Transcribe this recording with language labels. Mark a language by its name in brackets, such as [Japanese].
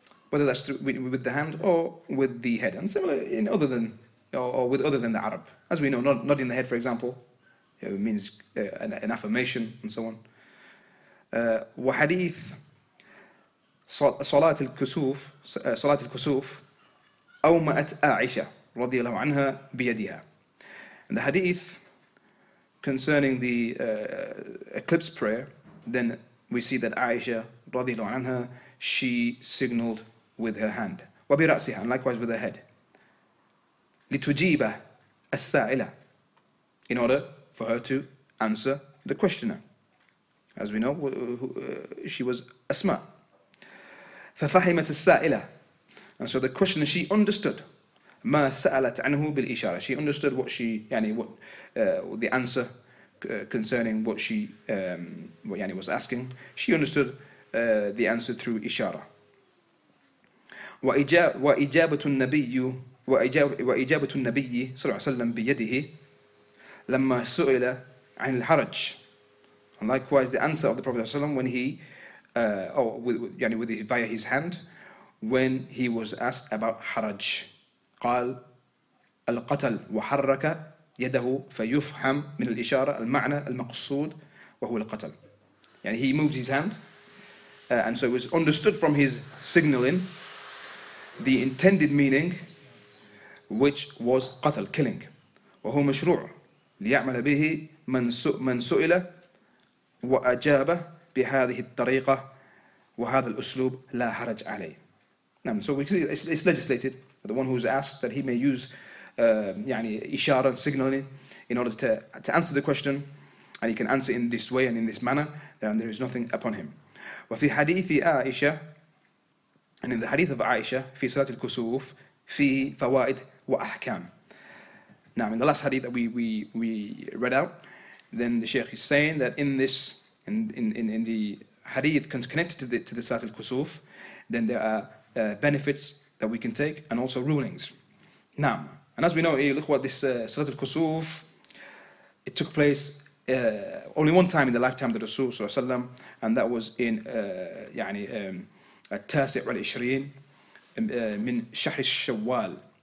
[English] Whether that's with the hand or with the head, and similar in other than or with other than the Arab, as we know, nodding the head, for example, it means an affirmation and so on. [Arabic] وحديث صلاة الكسوف أومأت عائشة رضي الله عنها بيدها. [English] And the hadith concerning the eclipse prayer, then we see that Aisha رضي الله عنها, she signaled with her hand. وبرأسها, and likewise with her head. [Arabic] لتجيب السائلة, [English] in order for her to answer the questioner. As we know, she was أسماء. [Arabic] ففهمت السائلة. [English] And so the questioner, she understood. [Arabic] ما سألت عنه بالإشارة. [English] She understood what she, يعني what the answer concerning what she what يعني was asking. She understood the answer through إشارة. [Arabic] وإجابة النبي وإجابة النبي صلى الله عليه وسلم بيده لما سئل عن الحرج. [English] And likewise, the answer of the Prophet صلى الله عليه وسلم when he via his hand when he was asked about حرج. [Arabic] قال القتل وحرك يده فيفهم من الإشارة المعنى المقصود وهو القتل. [English] يعني he moved his hand and so it was understood from his signaling the intended meaning, which was قتل, killing. [Arabic] وهو مشروع ليعمل به من سئل وأجاب بهذه الطريقة وهذا الأسلوب لا حرج عليه. [English] نعم, so we see it's legislated. The one who is asked that he may use يعني إشارة signaling in order to answer the question, and he can answer in this way and in this manner, then there is nothing upon him. [Arabic] وفي حديث عائشة, [English] and in the hadith of Aisha, [Arabic] في صلاة الكسوف, فيه فوائد وأحكام. [English] Now, in the last hadith that we read out, then the Shaykh is saying that in this, in the hadith connected to the Salat al-Kusuf, then there are benefits that we can take and also rulings. Now, and as we know, look what this Salat al-Kusuf, it took place only one time in the lifetime of the Rasul Sallallahu Alaihi Wasallam, and that was in [Arabic] التاسع والعشرين من شهر الشوال.